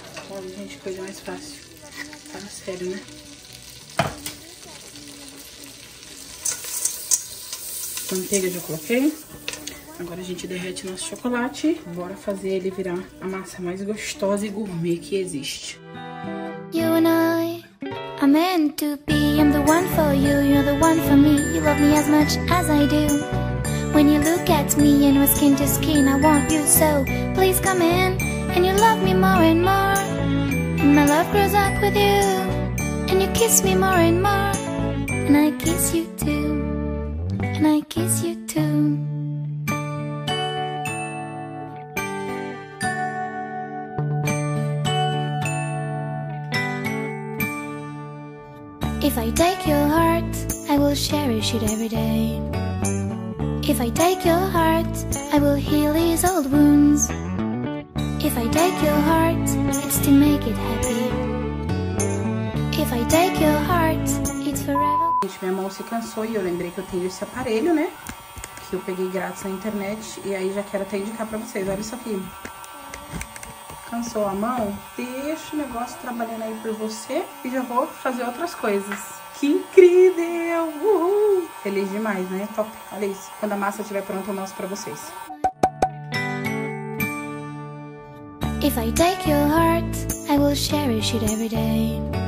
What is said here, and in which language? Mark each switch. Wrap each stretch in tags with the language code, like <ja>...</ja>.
<pt>Olha, gente, coisa mais fácil. Fala sério, né? Manteiga já coloquei. Agora a gente derrete nosso chocolate. Bora fazer ele virar a massa mais gostosa e gourmet que existe.</pt> <en>You and I are meant to be. I'm the one for you, you're the one for me. You love me as much as I do. When you look at me and we're skin to skin, I want you so. Please come in and you love me more and more. And my love grows up with you. And you kiss me more and more. And I kiss you too. And I kiss you too. If I take your heart, I will cherish it every day. If I take your heart, I will heal these old wounds. If I take your heart, it's to make it happy. If I take your heart, it's forever.</en> <pt>Gente, minha mão se cansou e eu lembrei que eu tenho esse aparelho, né? Que eu peguei grátis na internet e aí já quero até indicar pra vocês. Olha isso aqui. Cansou a mão? Deixa o negócio trabalhando aí por você e já vou fazer outras coisas. Que incrível! Uhul. Feliz demais, né? Top! Olha isso. Quando a massa estiver pronta, eu mostro pra vocês.</pt> <en>If I take your heart, I will cherish it every day.</en>